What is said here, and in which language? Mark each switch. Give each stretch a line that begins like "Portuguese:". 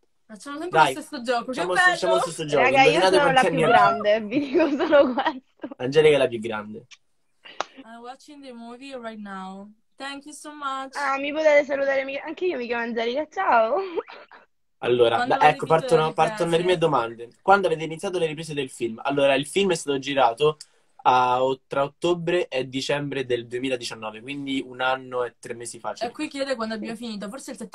Italian: Facciamo sempre lo stesso gioco. Facciamo lo stesso gioco. Raga, indovinate, io sono la più grande. Vi dico solo questo. Angelica è la più grande.
English: I'm watching the movie right now. Thank you so much.
Italian: Ah, mi potete salutare? Anche io mi chiamo Angelica, ciao. Allora, ecco, partono le mie domande. Quando avete iniziato le riprese del film? Allora, il film è stato girato tra ottobre e dicembre del 2019, quindi un anno e tre mesi fa. E qui chiede quando abbiamo finito, forse il 7